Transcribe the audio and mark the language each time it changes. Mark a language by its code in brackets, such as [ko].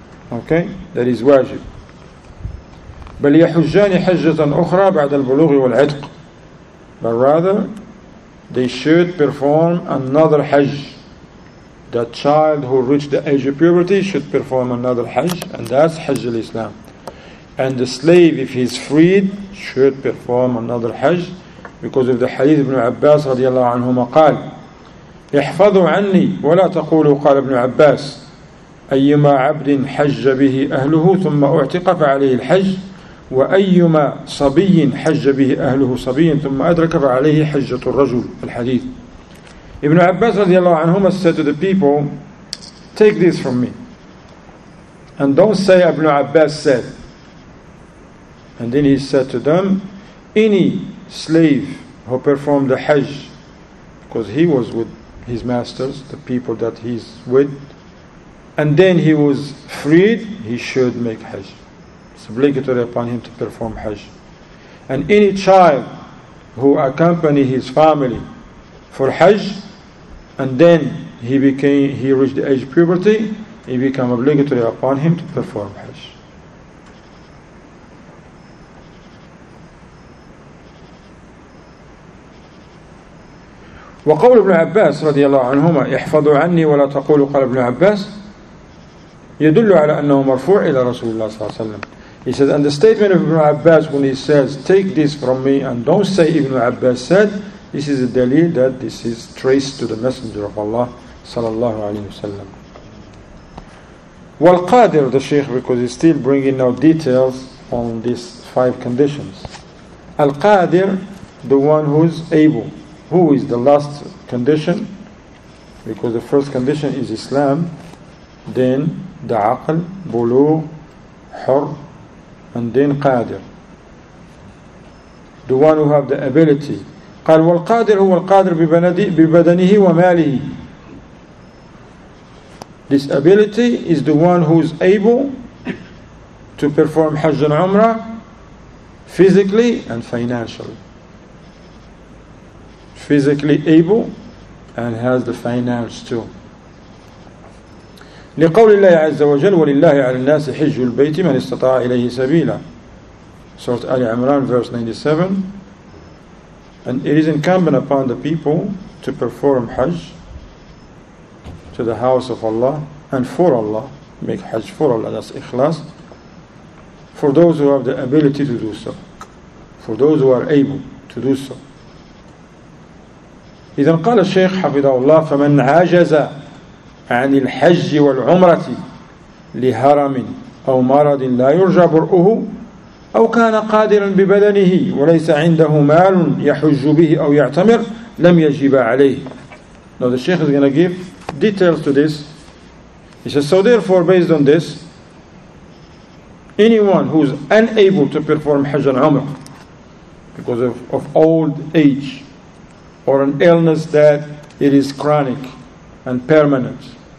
[en] Okay? That is wajib. [ar] بَلْ يَحُجَّانِ حَجَّةً أُخْرَى بَعْدَ الْبُلُوغِ وَالْعِدْقِ. [en] But rather, they should perform another hajj. The child who reached the age of puberty should perform another hajj, and that's hajj al-Islam. And the slave, if he's freed, should perform another hajj, because of the hadith ibn Abbas radiallahu anhuma qal, [ar] احفظوا عني ولا تقولوا قال ابن عباس أيما عبد حج به أهله ثم أعتق فعليه الحج وأيما صبي حج به أهله صبي ثم أدرك فعليه حجة الرجل الحديث. [en] Ibn Abbas radiallahu anhuma said to the people, take this from me. And don't say Ibn Abbas said. And then he said to them, any slave who performed the hajj, because he was with his masters, the people that he's with, and then he was freed, he should make hajj. It's obligatory upon him to perform hajj. And any child who accompany his family for hajj, and then he reached the age of puberty, it became obligatory upon him to perform hajj. [ar] وقول ابن عباس رضي الله عنهما احفظوا عني ولا تقولوا قال ابن عباس يدل على انه مرفوع الى رسول الله صلى الله عليه وسلم. [en] He said, and the statement of Ibn Abbas when he says, take this from me and don't say Ibn Abbas said, this is a dalil that this is traced to the Messenger of Allah sallallahu alayhi wa sallam. والقادر, the Shaykh, because he's still bringing now details on these five conditions. Al-Qadir, the one who's able. Who is the last condition? Because the first condition is Islam, then the Aql, Bulugh, Hur, and then Qadir. The one who have the ability. [ar] قال والقادر هو القادر ببدنه وماله. [en] This ability is the one who is able to perform Hajj and Umrah physically and financially. Physically able and has the finance too. [ar] لقول الله عز وجل ولله على الناس حج البيت من استطاع إليه سبيلا. [en] Surah Ali Imran, verse 97. And it is incumbent upon the people to perform Hajj to the house of Allah and for Allah, make Hajj for Allah, that's Ikhlas, for those who have the ability to do so, for those who are able to do so. [ar] إذن قال الشيخ حفظه الله فمن عاجز عن الحج والعمرة لهرم أو مرض لا يرجى برؤه أو كان قادرا ببدنه وليس عنده مال يحج به أو يعتمر لم يجب عليه. [en] Now the Sheikh is going to give details to this. He says, so therefore, based on this, anyone who is unable to perform Hajj and Umrah because of old age or an illness that it is chronic and permanent,